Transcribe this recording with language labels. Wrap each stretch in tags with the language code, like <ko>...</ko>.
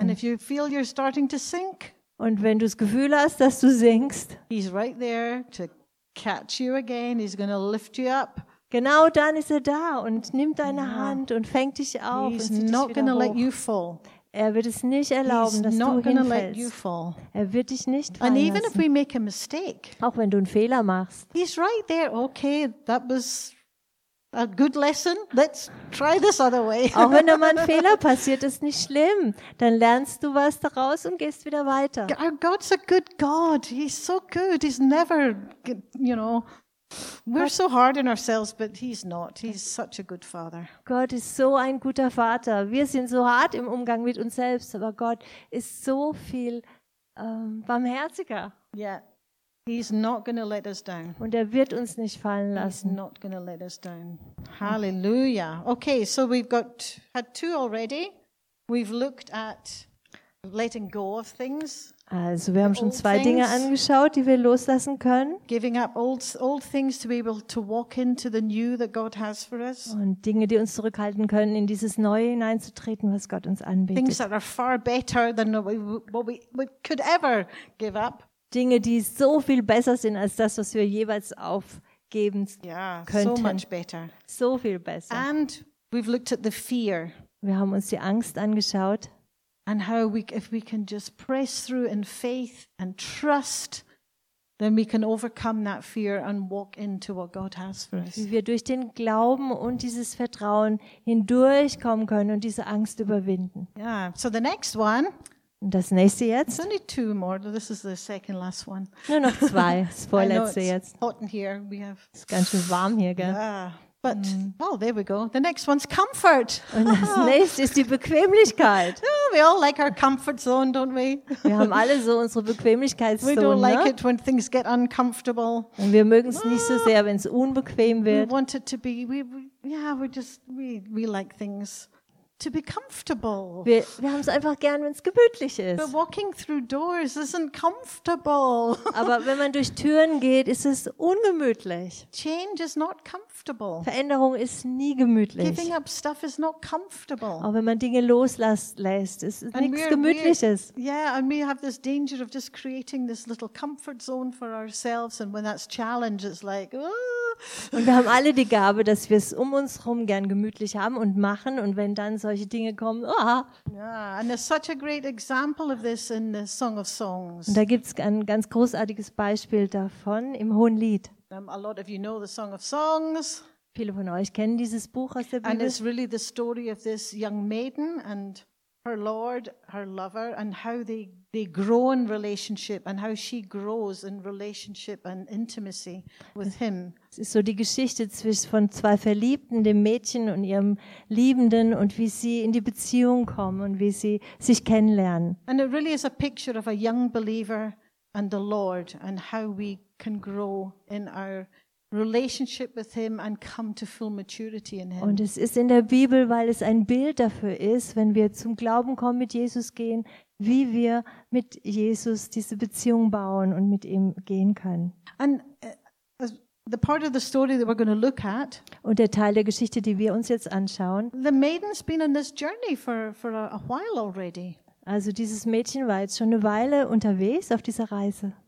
<en>And if you feel you're starting to sink,</en> <de>und wenn du das Gefühl hast, dass du sinkst,</de> <en>he's right there to catch you again. He's going to lift you up.</en> <de>Genau dann ist er da und nimmt deine yeah. Hand und fängt dich auf.</de> <en>He's</en> <de>und</de> <en>not going to let you fall.</en> <de>Er wird es nicht erlauben,</de> <en>He's</en> <de>dass du hinfällst.</de> <en>Let you fall.</en> <de>Er wird dich nicht fallen</de> <en>And even</en> <de>lassen.</de> <en>If we make a mistake,</en> <de>auch wenn du einen Fehler machst.</de> <en>He's right there. Okay, that was a good lesson. Let's try this other way.</en> <de>Auch wenn da mal ein Fehler passiert, ist nicht schlimm. Dann lernst du was daraus und gehst wieder weiter.</de> <en>Our God's a good God. He's so good. He's never, you know. We're so hard on ourselves, but he's not. He's such a good father.</en> <de>Gott ist so ein guter Vater. Wir sind so hart im Umgang mit uns selbst, aber Gott ist so viel barmherziger.</de> <en>Yeah. He's not going to let us down.</en> <de>Und er wird uns nicht fallen lassen.</de> <en>He's not going to let us down. Hallelujah. Okay, so we've had two already. We've looked at letting go of things.</en> <de>Also wir haben schon zwei Dinge angeschaut, die wir loslassen können.</de> <en>Giving up old things to be able to walk into the new that God has for us.</en> <de>Und Dinge, die uns zurückhalten können, in dieses Neue hineinzutreten, was Gott uns anbietet.</de> <en>Things that are far better than what we could ever give up.</en> <de>Dinge, die so viel besser sind als das, was wir jeweils aufgeben könnten.</de> <en>Yeah, so much better.</en> <de>So viel besser.</de> <en>And we've looked at the fear.</en> <de>Wir haben uns die Angst angeschaut.</de> <en>And how if we can just press through in faith and trust, then we can overcome that fear and walk into what God has for us.</en> <de>Wie wir durch den Glauben und dieses Vertrauen hindurchkommen können und diese Angst überwinden.</de> <en>Yeah. So the next one.</en> <de>Das nächste jetzt.</de> <en>It's only two more. This is the second last one.</en> <de>Nur noch zwei. Das vorletzte jetzt.</de> <en>It's hot in here. We have.</en> <de>Es ist ganz schön warm hier, gell?</de> <en>Yeah. But well, there we go. The next one's comfort.</en> <de>Und das nächste ist die Bequemlichkeit.</de> <en>We all like our comfort zone, don't we?</en> <de>Wir haben alle so unsere Bequemlichkeitszone.</de> <en>We don't like</en> <de>ne?</de> <en>it when things get uncomfortable.</en> <de>Und wir mögen es nicht so sehr, wenn es unbequem wird.</de> <en>We want it to be. We like things to be comfortable.</en> <de>Wir haben es einfach gern, wenn es gemütlich ist.</de> <en>But walking through doors isn't comfortable.</en> <de>Aber wenn man durch Türen geht, ist es ungemütlich.</de> <en>Change is not comfortable.</en> <de>Veränderung ist nie gemütlich.</de> <en>Giving up stuff is not comfortable.</en> <de>Auch wenn man Dinge loslässt, ist es nichts Gemütliches.</de> <en>Yeah, and we have this danger of just creating this little comfort zone for ourselves, and when that's challenged, it's like.</en> <de>Und wir haben alle die Gabe, dass wir es um uns herum gern gemütlich haben und machen. Und wenn dann solche Dinge kommen, oh.</de> <en>And there's such a great example of this in the Song of Songs.</en> <de>Und da gibt's ein ganz großartiges Beispiel davon im Hohen Lied.</de> <en>A lot of you know the Song of Songs.</en> <de>Viele von euch kennen dieses Buch aus der Bibel.</de> <en>And it's really the story of this young maiden and her Lord, her lover, and how they grow in relationship and how she grows in relationship and intimacy with him.</en> <de>Es ist so die Geschichte von zwei Verliebten, dem Mädchen und ihrem Liebenden, und wie sie in die Beziehung kommen und wie sie sich kennenlernen.</de> <en>And it really is a picture of a young believer and the Lord and how we can grow in our relationship with him and come to full maturity in him.</en> <de>Und es ist in der Bibel, weil es ein Bild dafür ist, wenn wir zum Glauben kommen, mit Jesus gehen, wie wir mit Jesus diese Beziehung bauen und mit ihm gehen können.</de> <en>And the part of the story that we're going to look at.</en> <de>Und der Teil der Geschichte, die wir uns jetzt anschauen.</de> <en>The maiden's been on this journey for a while already.</en> <de>Also dieses Mädchen war jetzt schon eine Weile unterwegs auf dieser Reise.</de>